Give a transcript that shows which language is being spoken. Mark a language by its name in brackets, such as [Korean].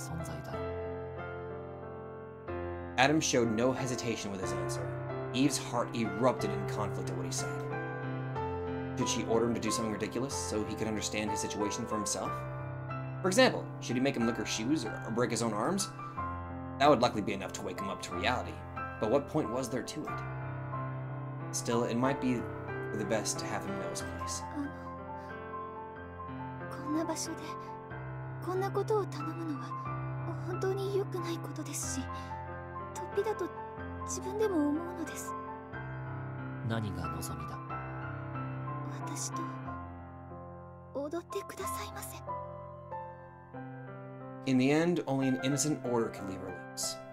[Japanese] 違います。違います。ごめんなさい、アダム。ただ少しだけ。そうか。驚かせたか。アダム、もし、もしですけれど、あなたが私の操る人形にしか過ぎないといえば。ありえない言葉というのは、起こる起こらない以前の存在だろう。Adam [English] showed no hesitation with his answer. Eve's heart erupted in conflict at what he said. Should she order him to do something ridiculous so he could understand his situation for himself? For example, should he make him lick her shoes or break his own arms? That would likely be enough to wake him up to reality, but what point was there to it? Still, it might be for the best to have him know his place. [Japanese] こんな場所で、こんなことを頼むのは本当に良くないことですし、突飛だと 自分でも思うのです。何が望みだ?私と踊ってくださいませ。 [English] In the end, only an innocent order could leave her lips.